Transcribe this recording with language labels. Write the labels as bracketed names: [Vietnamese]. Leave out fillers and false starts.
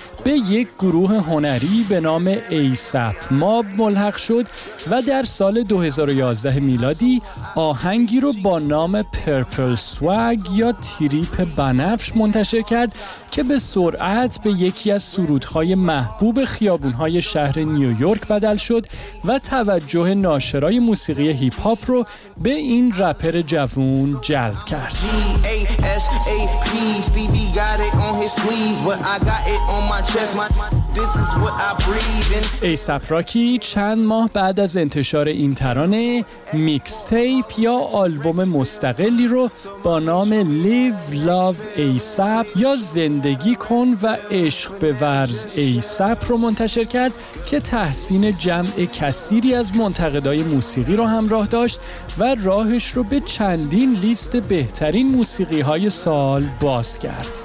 [Persian] به یک گروه هنری به نام ASAP ماب ملحق شد و در سال 2011 میلادی آهنگی رو با نام پرپل سواگ یا تریپ بنفش منتشر کرد که به سرعت به یکی از سرودهای محبوب خیابونهای شهر نیویورک بدل شد و توجه ناشرای موسیقی هیپ هاپ رو به این رپر جوون جلب کرد. [English] G-A-S-A-P, Stevie got it on his sleeve, but I got it on my chest. This is what I breathe in. [Persian] ASAP Rocky چند ماه بعد از انتشار این ترانه میکس تیپ یا آلبوم مستقلی رو با نام Live Love ASAP یا زندگی کن و عشق به ورز ASAP رو منتشر کرد که تحسین جمع کثیری از منتقدای موسیقی رو همراه داشت و راهش رو به چندین لیست بهترین موسیقی های سال باز کرد.